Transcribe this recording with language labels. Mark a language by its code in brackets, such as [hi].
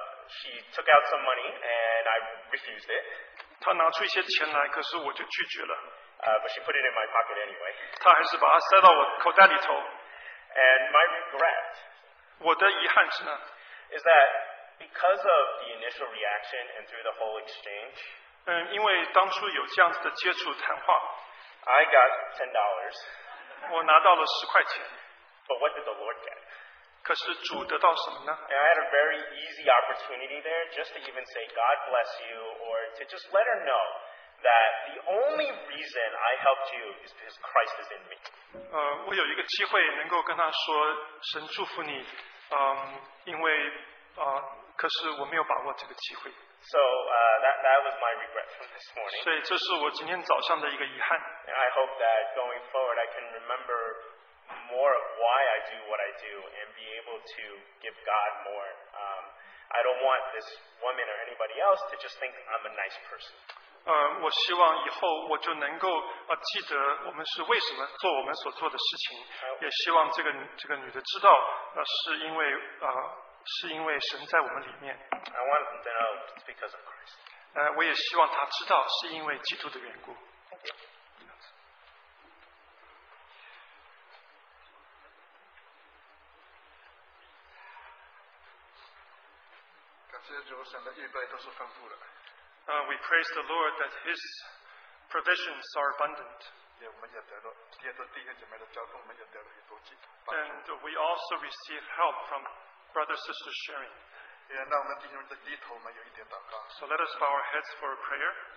[en] She took out some money and I refused it. [zh] 她拿出一些钱来，可是我就拒绝了。 [en] But she put it in my pocket anyway. [zh] 她还是把它塞到我口袋里头。 [en] And my regret [zh] 我的遗憾是呢? [en] Is that because of the initial reaction and through the whole exchange, [zh] 因为当初有这样子的接触谈话, [en] I got $10. [zh] 我拿到了10块钱, [en] but what did the Lord get? [zh] 可是主得到什么呢? [en] And I had a very easy opportunity there just to even say, God bless you, or to just let her know that the only reason I helped you is because Christ is in me. [zh] 我有一个机会能够跟她说神祝福你, 因为, 可是我没有把握这个机会。 [en] So that was my regret from this morning. [zh] 所以这是我今天早上的一个遗憾。 [en] And I hope that going forward I can remember more of why I do what I do and be able to give God more. I don't want this woman or anybody else to just think I'm a nice person. [zh] 我希望以后我就能够记得我们是为什么做我们所做的事情，也希望这个女的知道是因为。是因为神在我们里面。 [en] I want them to know it's because of Christ. [zh] 我也希望他知道是因为基督的缘故。感谢主，神的预备都是丰富的。 [en] We praise the Lord that His provisions are abundant. [zh] 也我们也得到，接着弟兄姐妹的交通，我们也得到很多帮助。 [en] And we also receive help from Brother, sister, sharing. So let us bow our heads for a prayer.